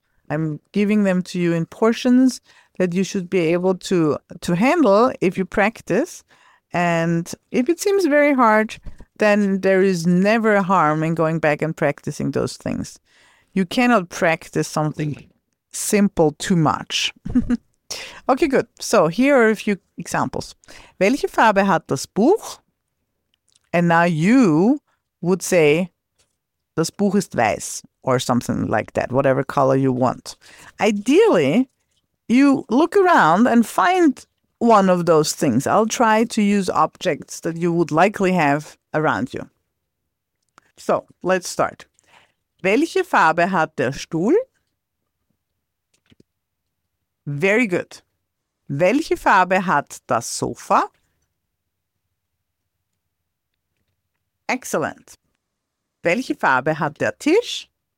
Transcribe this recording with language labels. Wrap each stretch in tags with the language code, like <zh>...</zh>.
<en>I'm giving them to you in portions that you should be able to handle if you practice. And if it seems very hard, then there is never a harm in going back and practicing those things. You cannot practice something simple too much. Okay, good. So here are a few examples.</en> <de>Welche Farbe hat das Buch?</de> <en>And now you would say,</en> <de>das Buch ist weiß,</de> <en>or something like that, whatever color you want. Ideally, you look around and find one of those things. I'll try to use objects that you would likely have around you. So, let's start.</en> <de>Welche Farbe hat der Stuhl?</de> <en>Very good.</en> <de>Welche Farbe hat das Sofa? Excellent. Welche Farbe hat der Tisch?</de>